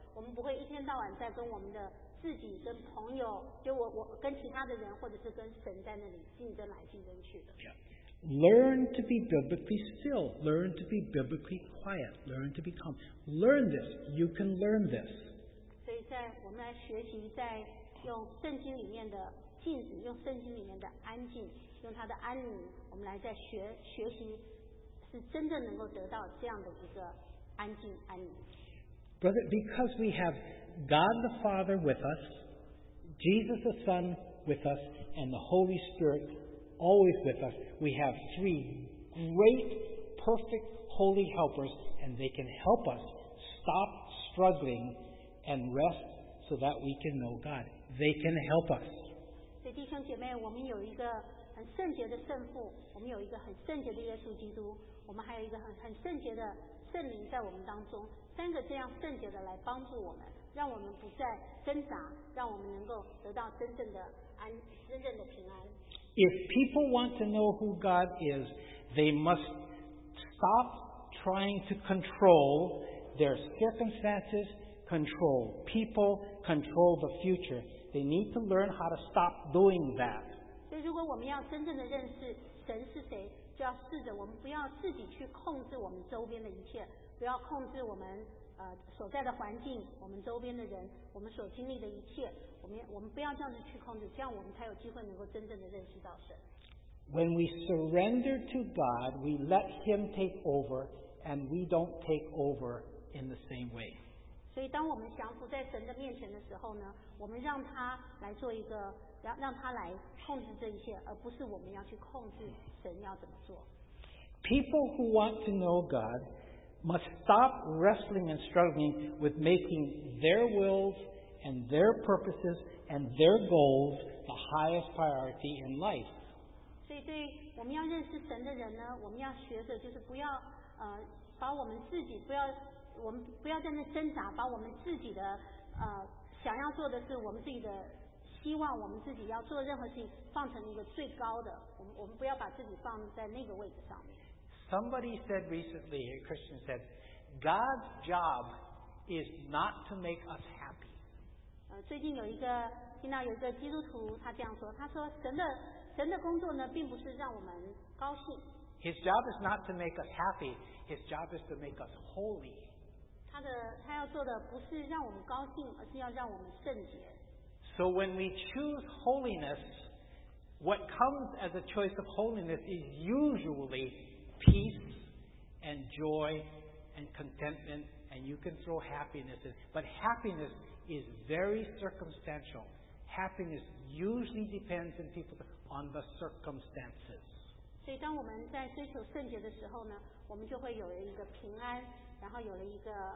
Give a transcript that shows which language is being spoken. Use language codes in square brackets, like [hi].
[zh] 我们不会一天到晚在跟我们的自己跟朋友就我跟其他的人或者是跟神在那里竞争来竞争去的。 [en] Learn to be biblically still. Learn to be biblically quiet. Learn to be calm. Learn this. You can learn this. [zh] 所以在我们来学习，在用圣经里面的静止，用圣经里面的安静，用它的安宁，我们来在学习，是真正能够得到这样的一个安静安宁。 [en] Brother, because we have God the Father with us, Jesus the Son with us, and the Holy Spirit. Always with us, we have three great, perfect, holy helpers, and they can help us stop struggling and rest so that we can know God. They can help us. [zh] 所以弟兄姐妹，我们有一个很圣洁的圣父，我们有一个很圣洁的耶稣基督，我们还有一个很圣洁的圣灵在我们当中，三个这样圣洁的来帮助我们，让我们不再挣扎，让我们能够得到真正的安，真正的平安。 [en] If people want to know who God is, they must stop trying to control their circumstances, control people, control the future. They need to learn how to stop doing that. [zh] 所以如果我们要真正的认识神是谁，就要试着我们不要自己去控制我们周边的一切，不要控制我们所在的环境，我们周边的人，我们所经历的一切，我们不要这样子去控制，这样我们才有机会能够真正的认识到神。 [en] When we surrender to God, we let Him take over, and we don't take over in the same way. [zh] 所以当我们降服在神的面前的时候呢，我们让他来做一个，让他来控制这一切，而不是我们要去控制神要怎么做。 [en] People who want to know God. Must stop wrestling and struggling with making their wills and their purposes and their goals the highest priority in life. [zh] 所以对我们要认识神的人呢，我们要学着就是不要把我们自己不要我们不要在那挣扎，把我们自己的想要做的是我们自己的希望，我们自己要做任何事情放成一个最高的，我们不要把自己放在那个位置上面。 [en] Somebody said recently, a Christian said, God's job is not to make us happy. [zh] 最近有一个听到有一个基督徒他这样说，他说神的工作呢，并不是让我们高兴。 [en] His job is not to make us happy. His job is to make us holy. [zh] 他要做的不是让我们高兴，而是要让我们圣洁。 [en] So when we choose holiness, what comes as a choice of holiness is usually peace and joy and contentment, and you can throw happiness in. But happiness is very circumstantial. Happiness usually depends in people on the circumstances. [zh] 所以当我们在追求圣洁的时候呢，我们就会有了一个平安，然后有了一个